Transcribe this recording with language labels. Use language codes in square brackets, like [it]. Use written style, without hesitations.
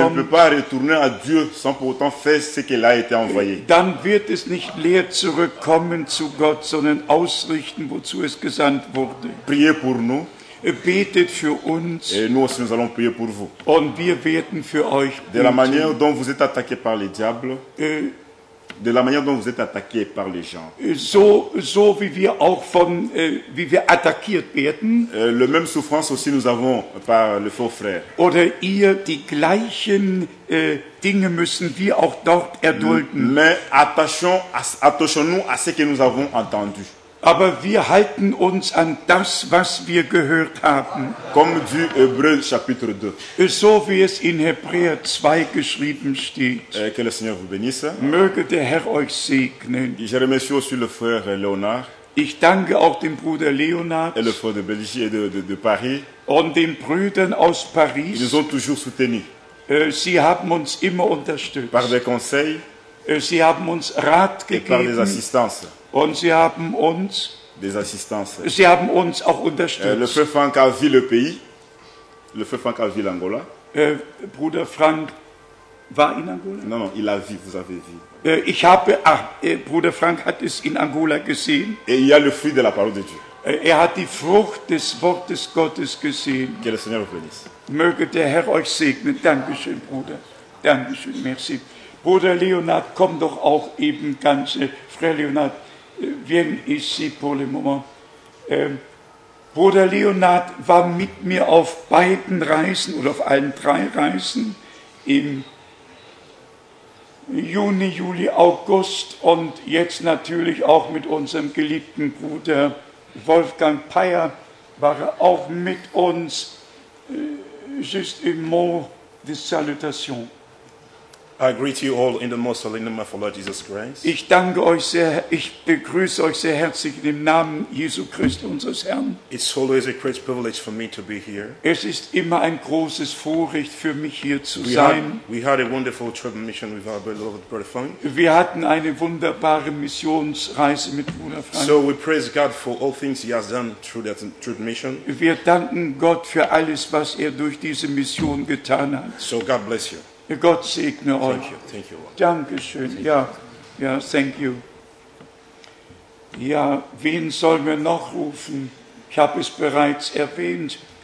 [fr] elle ne peut pas retourner à Dieu sans pourtant faire ce qu'elle a été envoyée. [de] Dann wird es nicht leer zurückkommen zu Gott, sondern ausrichten, wozu es gesandt wurde. [fr] Priez pour nous. [de] Betet für uns. [fr] Et nous aussi, nous allons prier pour vous. [de] Und wir werden für euch beten. [fr] De la manière dont vous êtes attaqué par le diable, de la manière dont vous êtes attaqué par les gens. [de] So wie wir auch von wie wir attackiert werden. [fr] Le même souffrance aussi nous avons par le faux frère. [de] Oder ihr die gleichen Dinge müssen wir auch dort erdulden. [fr] Mais attachons-nous à ce que nous avons entendu. [de] Aber wir halten uns an das, was wir gehört haben. [fr] Comme dit Hébreux chapitre 2. [de] So wie es in Hébreux 2 geschrieben steht. [fr] Que le Seigneur vous bénisse. [de] Möge der Herr euch segnen. [fr] Je remercie aussi le frère Léonard. [de] Ich danke auch dem Bruder Léonard. [fr] Et le frère de Belgique et de Paris. [de] Und den Brüdern aus Paris. [fr] Ils nous ont toujours soutenus. [de] Sie haben uns immer unterstützt. [fr] Par des conseils. [de] Sie haben uns Rat gegeben. [fr] Et par des assistances. [de] Und sie haben uns [fr] des assistances. [de] Sie haben uns auch unterstützt. [fr] Le frère Franck a vu le pays. Le frère Franck a vu l'Angola. [de] Bruder Frank war in Angola? [fr] Non, il a vu, vous avez vu. [de] Ich habe Bruder Frank hat es in Angola gesehen. [fr] Et il y a le fruit de la parole de Dieu. [de] Er hat die Frucht des Wortes Gottes gesehen. [fr] Que le Seigneur vous bénisse. [de] Möge der Herr euch segnen. Dankeschön, Bruder. Dankeschön, merci. Bruder Leonard, komm doch auch eben ganz Frère Leonard. [fr] Viens ici pour le moment. [de] Bruder Leonard war mit mir auf beiden Reisen oder auf allen drei Reisen im Juni, Juli, August und jetzt natürlich auch mit unserem geliebten Bruder Wolfgang Payer war er auch mit uns. [fr] Juste un mot de salutation. [en] I greet you all in the most holy name of our Lord Jesus Christ. [de] Ich danke euch sehr. Ich begrüße euch sehr herzlich im Namen Jesu Christi unseres Herrn. [en] It's always a great privilege for me to be here. [de] Es ist immer ein großes Vorrecht für mich hier zu sein. [en] We had a wonderful trip mission with our beloved brother Frank. [de] Wir hatten eine wunderbare Missionsreise mit Bruder Frank. [en] So we praise God for all things He has done through that trip mission. [de] Wir danken Gott für alles, was er durch diese Mission getan hat. [en] So God bless you. [de] Gott segne euch. [en] Thank you. [de] Dankeschön. Ja, ja, [en] thank you. [de] Ja, wen sollen wir noch rufen? Ich habe es bereits erwähnt.